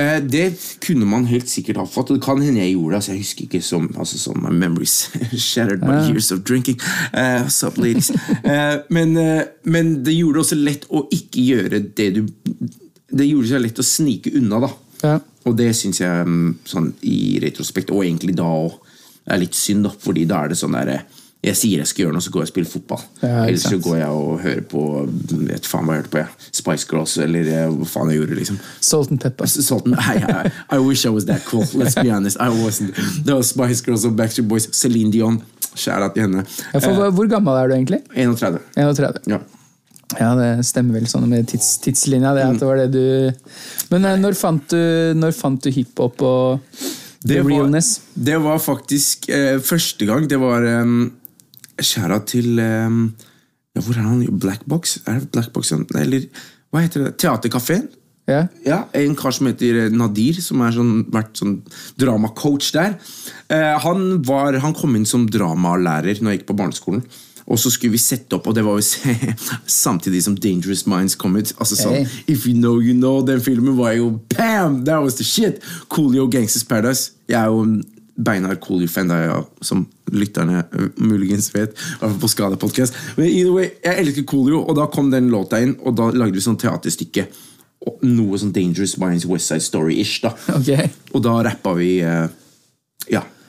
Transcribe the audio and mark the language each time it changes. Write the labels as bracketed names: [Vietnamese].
[Norwegian] Det kunne man helt sikkert ha fått, og det kan hende jeg gjorde det, altså jeg husker ikke som, altså sånn, [English] my memories shattered my years of drinking, what's up ladies, [Norwegian] men det gjorde det også lett å ikke gjøre det du, det gjorde seg lett å snike unna da, ja. Og det synes jeg sånn i retrospekt, og egentlig da er litt synd da, fordi da er det sånn der, jeg sier jeg skal gjøre noe, så går jeg og spiller fotball. Ja, ellers så går jeg og hører på, vet faen hva jeg hørte på, ja. Spice Girls, eller hva faen jeg gjorde, liksom. [English] Salt and Pepper. Salt and, I wish I was that cool, let's be honest. I wasn't. [Norwegian] Det var Spice Girls og Backstreet Boys, Celine Dion, kjære til henne. Ja, for, hvor gammel er du egentlig? 31. 31? Ja. Ja, det stemmer vel sånn med tidslinja, det at det var det du... Men når fant du hiphop og... Det var faktisk første gang, det var kjæra til, ja, hvor er han? Black Box? Er det Black Box? Eller, hva heter det? Teaterkaféen? Ja. Ja, en kar som heter Nadir, som har sånn, vært sånn drama-coach der. Han kom inn som dramalærer når jeg gikk på barneskolen. Og så skulle vi sette opp, og det var jo samtidig som Dangerous Minds kom ut. Altså sånn, [English] hey. If you know, you know. [Norwegian] Den filmen var jo, bam, [English] that was the shit. [Norwegian] Coolio Gangsters Paradise. Jeg er jo en beinhard Coolio-fan, ja, som lytterne muligens vet, på Skade-podcast. Men [English] either way, [Norwegian] jeg elsker Coolio, og da kom den låta inn, og da lagde vi sånn teaterstykke. Noe sånn Dangerous Minds West Side Story-ish da. Ok. Og da rappet vi, ja.